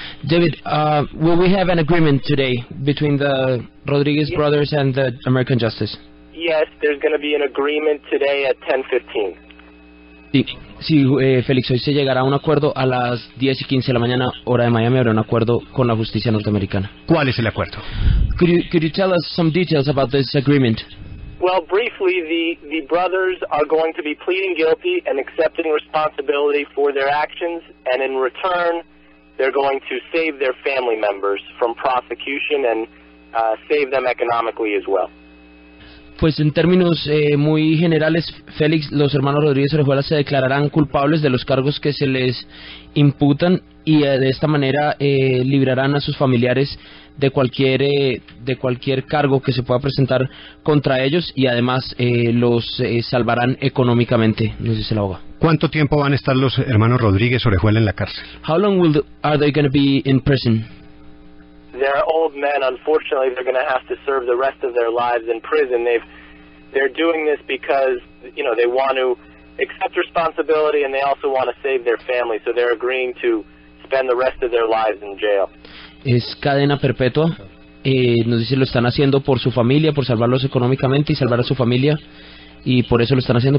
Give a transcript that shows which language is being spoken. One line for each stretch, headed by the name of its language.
English: David, will we have an agreement today between the Rodriguez yes. brothers and the American justice? Yes, there's going to be an agreement today at 10:15.
Spanish: Sí, Félix, hoy se llegará a un acuerdo a las 10:15 de la mañana, hora de Miami, habrá un acuerdo con la justicia norteamericana. ¿Cuál es el acuerdo?
English: Could you tell us some details about this agreement? Well, briefly, the brothers are going to be pleading guilty and accepting responsibility for their actions, and in return, they're going to save their family members from prosecution and save them economically as well.
Spanish: Pues en términos muy generales, Félix, los hermanos Rodríguez Orejuela se declararán culpables de los cargos que se les imputan y de esta manera librarán a sus familiares de cualquier cargo que se pueda presentar contra ellos y además los salvarán económicamente, nos dice la abogada. ¿Cuánto tiempo van a estar los hermanos Rodríguez Orejuela en la cárcel?
English: How long will are they going to be in prison? They're old men. Unfortunately, they're going to have to serve the rest of their lives in prison. They're doing this because, you know, they want to accept responsibility and they also want to save their family. So they're agreeing to spend the rest of their lives in jail.
Spanish: Es cadena perpetua. Nos dice lo están haciendo por su familia, por salvarlos económicamente y salvar a su familia, y por eso lo están haciendo.